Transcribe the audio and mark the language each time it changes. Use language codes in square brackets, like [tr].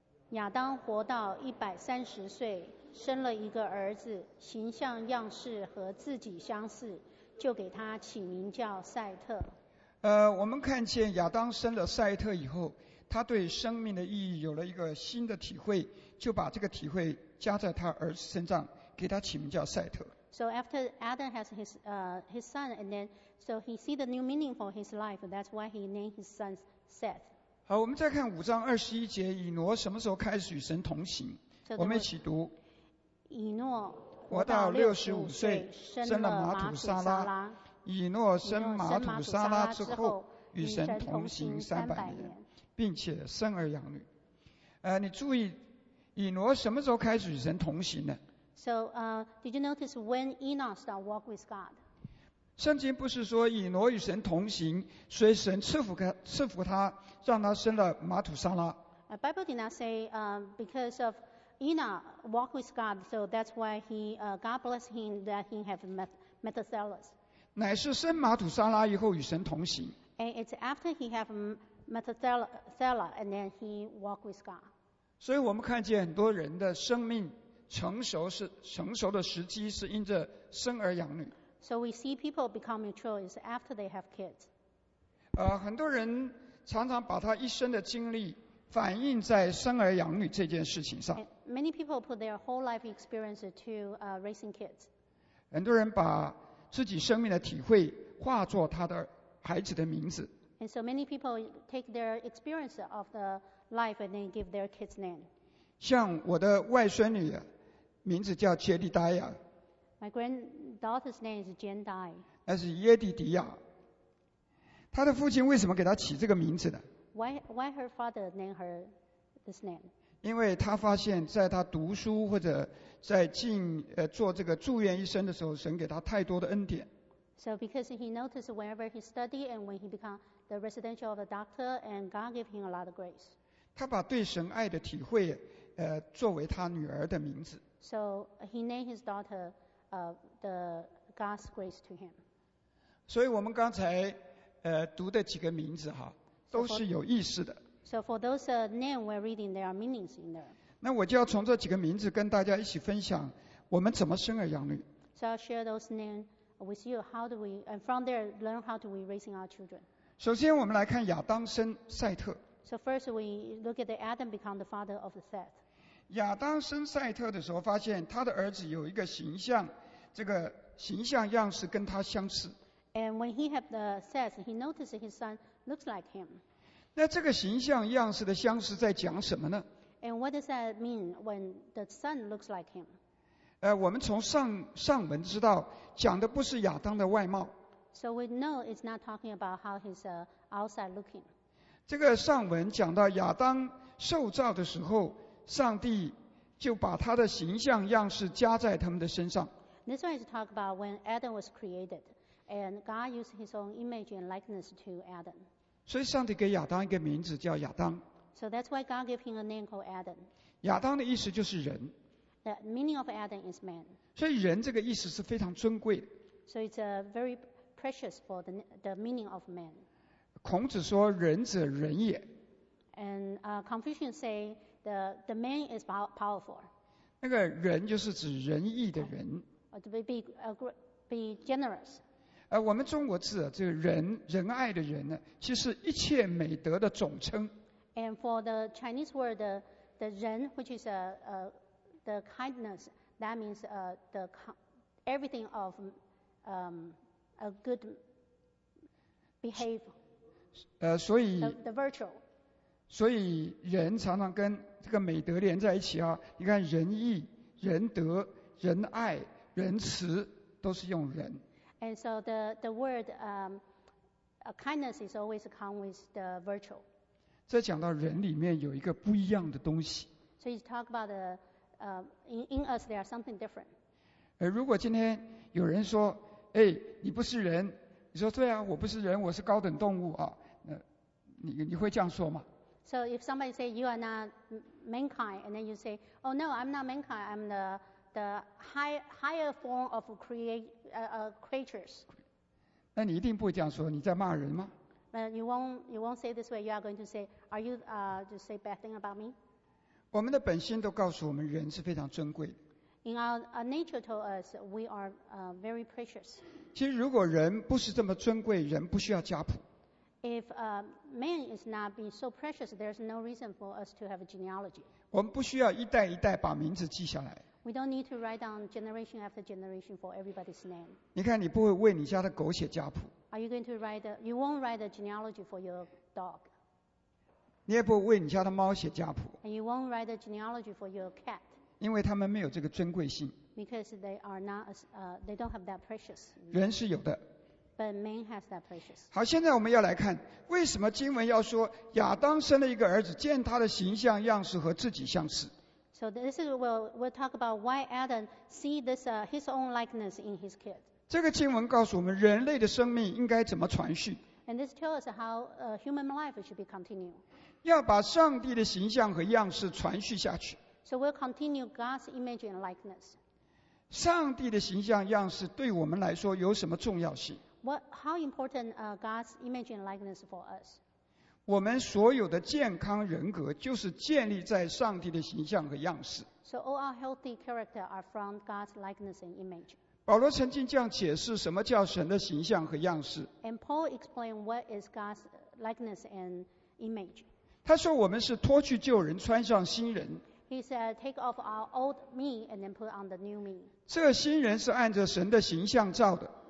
[zh] 亚当活到130岁，生了一个儿子，形象样式和自己相似，就给他起名叫赛特。我们看见亚当生了赛特以后，他对生命的意义有了一个新的体会，就把这个体会加在他儿子身上，给他起名叫赛特。 [en] So after Adam has his son, and then so he see the new meaning for his life. That's why he named his son Seth. [zh] 好，我们再看五章二十一节，以挪什么时候开始与神同行？ [en] So、 [zh] 我们一起读。以挪活到65 岁，生了马土沙拉。以挪生马土沙拉之后，与神同行 300 年，并且生儿养女。你注意，以挪什么时候开始与神同行呢？ [en] So, did you notice when Enoch started walk with God? [zh] 圣经不是说以挪与神同行，所以神赐福他，让他生了马土沙拉。 [en] Bible did not say, because of Enoch walk with God, so that's why he, God blessed him that he have Methuselah. [zh] 乃是生马土沙拉以后与神同行。 [en] And it's after he have Methuselah, and then he walk with God. [zh] 所以我们看见很多人的生命。成熟的时机是因着生儿养女。 [en] So we see people become mature is after they have kids. [zh] 很多人常常把他一生的经历反映在生儿养女这件事情上。 [en] Many people put their whole life experience to raising kids. [zh] 很多人把自己生命的体会化作他的孩子的名字。 [en] And so many people take their experience of the life and then give their kids name. [zh] 像我的外孙女。名字叫杰迪达亚。 [en] My granddaughter's name is Jen Dai. [zh] 那是耶迪迪亚。她的父亲为什么给她起这个名字呢 [en] ？Why her father named her this name？ [zh] 因为她发现，在她读书或者在做这个住院医生的时候，神给她太多的恩典。 [en] So because he noticed whenever he studied and when he became the residential of the doctor, and God gave him a lot of grace. [zh] 她把对神爱的体会，作为她女儿的名字。 [en] So he named his daughter, the God's grace to him. [zh] 所以我们刚才读的几个名字哈，都是有意思的。 [en] So for those names we're reading, there are meanings in there. [zh] 那我就要从这几个名字跟大家一起分享我们怎么生儿养女。 [en] So I'll share those names with you. How do we and from there learn how do we raising our children? [zh] 首先我们来看亚当生赛特。 [en] So first we look at the Adam become the father of the Seth. [zh] 亚当生赛特的时候，发现他的儿子有一个形象，这个形象样式跟他相似。 [en] And when he had the Seth, he noticed his son looks like him. [zh] 那这个形象样式的相似在讲什么呢 [en] ？And what does that mean when the son looks like him？ [zh] 我们从上文知道，讲的不是亚当的外貌。 [en] So we know it's not talking about how he's outside looking. [zh] 这个上文讲到亚当受造的时候，上帝就把他的形象样式加在他们的身上。 [en] This one is talk about when Adam was created and God used his own image and likeness to Adam. [zh] 所以上帝给亚当一个名字叫亚当。 [en] So that's why God gave him a name called Adam. [zh] 亚当的意思就是人。 [en] The meaning of Adam is man. [zh] 所以人这个意思是非常尊贵的。 [en] So it's a very precious for the meaning of man. [zh] 孔子说仁者仁也。 [en] And Confucian say,The man is powerful. [zh] 那个仁就是指仁义的仁。 [en] To be generous. [zh] 我们中国字啊，这个仁，仁爱的仁呢，其实一切美德的总称。 [en] And for the Chinese word, the 仁 which is the kindness, that means the everything of a good behavior. [zh] 所以。 [en] The virtue. [zh] 所以人常常跟这个美德连在一起啊，你看仁义、仁德、仁爱、仁慈都是用仁。 [en] And so the word kindness is always come with the virtue. [zh] 这讲到人里面有一个不一样的东西。 [en] So you talk about in us there are something different. [zh] 如果今天有人说，你不是人，你说对啊，我不是人，我是高等动物啊，你会这样说吗？ [en] So if somebody say you are not mankind, and then you say, "Oh no, I'm not mankind. I'm the higher form of creatures." [zh] 那你一定不会这样说，你在骂人吗？ [en] You won't say this way. You are going to say, "Are you to say bad thing about me?" [zh] 我们的本心都告诉我们，人是非常珍贵的。 [en] In our nature, told us we are very precious. [zh] 其实如果人不是这么尊贵，人不需要家谱。 [en] If a man is not being so precious, there's no reason for us to have a genealogy. [zh] 我们不需要一代一代把名字记下来。 [en] We don't need to write down generation after generation for everybody's name. [zh] 你看，你不会为你家的狗写家谱。 [en] Are you going to write? You won't write a genealogy for your dog. [zh] 你也不会为你家的猫写家谱。 [en] And you won't write a genealogy for your cat. [zh] 因为他们没有这个尊贵性。 [en] Because they are not, they don't have that precious. [zh] 人是有的。 [en] But man has that precious. [zh] 好，现在我们要来看为什么经文要说亚当生了一个儿子，见他的形象样式和自己相似。 [en] So this is we'll talk about why Adam see this his own likeness in his kid. [zh] 这个经文告诉我们人类的生命应该怎么传续。 [en] And this tells us how human life should be continued. [zh] 要把上帝的形象和样式传续下去。 [en] So we'll continue God's image and likeness. [zh] 上帝的形象样式对我们来说有什么重要性？ [en] How important God's image and likeness for us? [zh] 我们所有的健康人格就是建立在上帝的形象和样式。 [en] So all our healthy character are from God's likeness and image. [zh] 保罗曾经这样解释什么叫神的形象和样式。 [en] And Paul explained what is God's likeness and image. [zh] 他说我们是脱去旧人，穿上新人。 [en] He said, "Take off our old me and then put on the new me." [zh] 这新人是按着神的形象造的。